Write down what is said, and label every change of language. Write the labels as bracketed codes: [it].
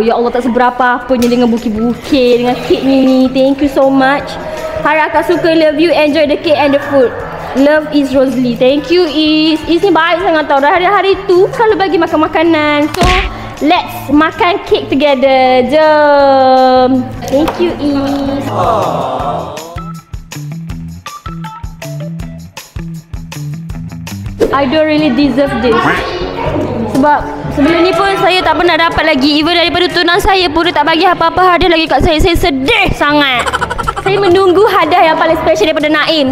[ms] Ya Allah, tak seberapa punya dengan bukit-bukit, dengan kek ni. [en] Thank you so much. [ms] Harap akak suka, [en] love you, enjoy the cake and the food. Love is Rosli. Thank you Is. [ms] Is ni baik sangat tau. Hari-hari tu selalu bagi makan makanan. [en] So let's makan cake together. Jom. Thank you Is. I don't really deserve this. [ms] Sebab sebelum ni pun saya tak pernah dapat lagi. Even daripada tunang saya pun dia tak bagi apa-apa hadiah lagi kat saya. Saya sedih sangat. Saya menunggu hadiah yang paling special daripada Naim.